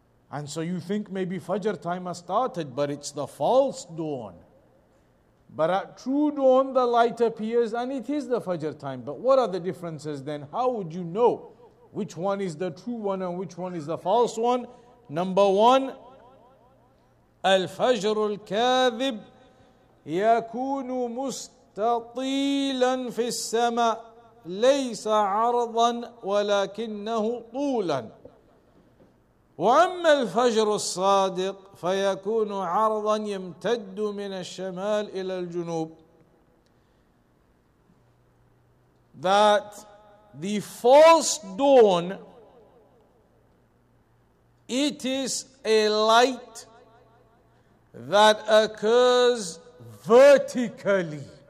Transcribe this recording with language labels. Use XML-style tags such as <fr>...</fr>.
<en>And so you think maybe Fajr time has started, but it's the false dawn. But at true dawn, the light appears and it is the Fajr time. But what are the differences then? How would you know which one is the true one and which one is the false one? Number one,</en> <ar>الفجر الكاذب يكون مستطيلا في السماء ليس عرضا ولكنه طولا وأما الفجر الصادق فيكون عرضا يمتد من الشمال إلى الجنوب.</ar> <en>That the false dawn, it is a light that occurs vertically.</en>